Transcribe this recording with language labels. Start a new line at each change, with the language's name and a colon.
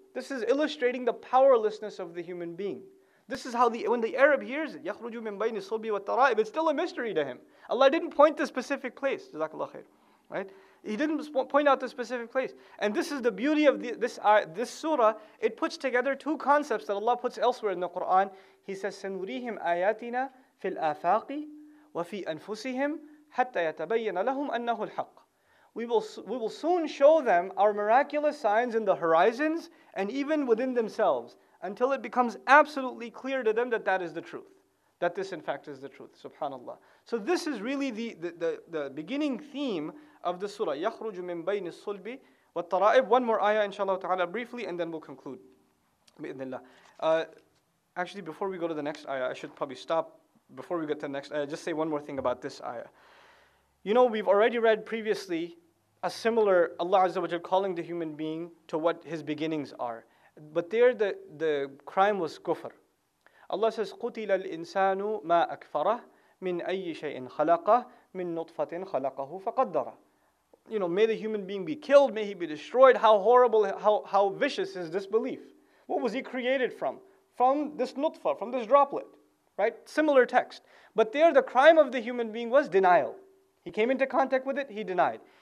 English: This is illustrating the powerlessness of the human being. This is how when the Arab hears it,
Arabic: يَخْرُجُ مِن بَيْنِ الصُّلْبِ وَالتَّرَائِبِ,
English: it's still a mystery to him. Allah didn't point the specific place. Jazakallah khair. Right? He didn't point out the specific place. And this is the beauty of this surah. It puts together two concepts that Allah puts elsewhere in the Quran. He says,
Arabic: سَنُرِيهِمْ آيَاتِنَا فِي الْآفَاقِ وَفِي أَنفُسِهِمْ حَتَّى يَتَبَيَّنَ لَهُمْ أَنَّهُ الْحَقِّ.
English: We will soon show them our miraculous signs in the horizons and even within themselves until it becomes absolutely clear to them that that is the truth. That this in fact is the truth, subhanAllah. So this is really the beginning theme of the surah.
Arabic: يَخْرُجُ مِن بَيْنِ الصُّلْبِ وَالتَّرَائِبِ.
English: One more ayah inshaAllah ta'ala briefly and then we'll conclude. بِإِذْنِ. Actually, before we go to the next ayah, I should probably stop. Before we get to the next ayah, just say one more thing about this ayah. You know, we've already read previously a similar Allah Azza wa Jalla calling the human being to what his beginnings are. But there the crime was kufr. Allah says,
Arabic: قُتِلَ الْإِنسَانُ مَا أَكْفَرَهُ مِنْ أَيِّ شَيْءٍ خَلَقَهُ مِنْ نُطْفَةٍ خَلَقَهُ فَقَدَّرَهُ.
English: You know, may the human being be killed, may he be destroyed. How horrible, how vicious is this belief? What was he created from? From this nutfa, from this droplet, right? Similar text. But there the crime of the human being was denial. He came into contact with it, he denied.